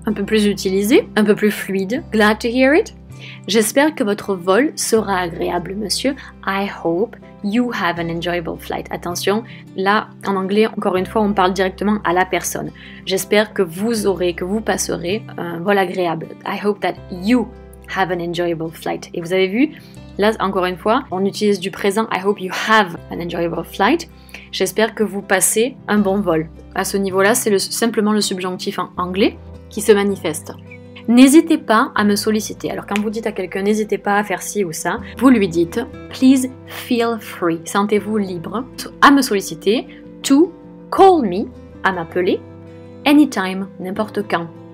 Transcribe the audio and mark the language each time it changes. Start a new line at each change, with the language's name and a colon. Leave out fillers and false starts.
French: Un peu plus utilisé, un peu plus fluide.
English: Glad to hear it.
French: J'espère que votre vol sera agréable, monsieur.
English: I hope you have an enjoyable flight.
French: Attention, là, en anglais, encore une fois, on parle directement à la personne. J'espère que vous aurez, que vous passerez un vol agréable.
English: I hope that you have an enjoyable flight.
French: Et vous avez vu, là, encore une fois, on utilise du présent.
English: I hope you have an enjoyable flight.
French: J'espère que vous passez un bon vol. À ce niveau-là, c'est simplement le subjonctif en anglais qui se manifeste. N'hésitez pas à me solliciter. Alors quand vous dites à quelqu'un, n'hésitez pas à faire ci ou ça, vous lui dites,
English: please feel free,
French: sentez-vous libre à me solliciter,
English: to call me,
French: à m'appeler,
English: anytime,
French: n'importe quand.